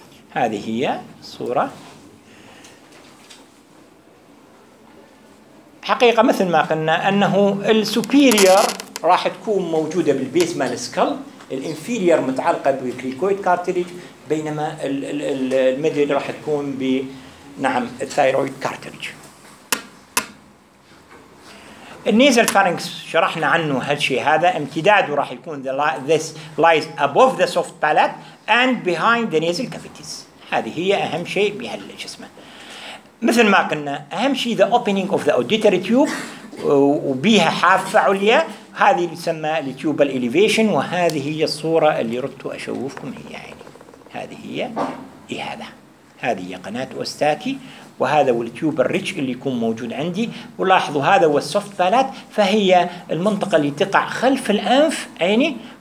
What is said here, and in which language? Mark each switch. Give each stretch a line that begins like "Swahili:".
Arabic: هذه هي صورة حقيقة مثل ما قلنا أنه السوبيريور راح تكون موجودة بالبيس مال سكال، الانفيريور متعلقة بالكريكويد كارتريج، بينما الميدل راح تكون بنعم الثايرويد كارتريج. النيزل فارينكس شرحنا عنه هالشيء، هذا امتداده راح يكون
English: this lies above the soft palate and behind the nasal cavities.
Arabic: هذه هي أهم شيء بهالجسم. مثل ما قلنا أهم شيء
English: the opening of the auditory tube،
Arabic: وبيها حافة عليا، هذه تسمى tubal elevation، وهذه هي الصورة اللي ردت أشوفكم هي يعني. هذه هي هذا، هذه هي قناة أوستاكي، وهذا هو التيوب الريتش اللي يكون موجود عندي، ولاحظوا هذا هو السوفت بالات، فهي المنطقة اللي تقع خلف الأنف عيني.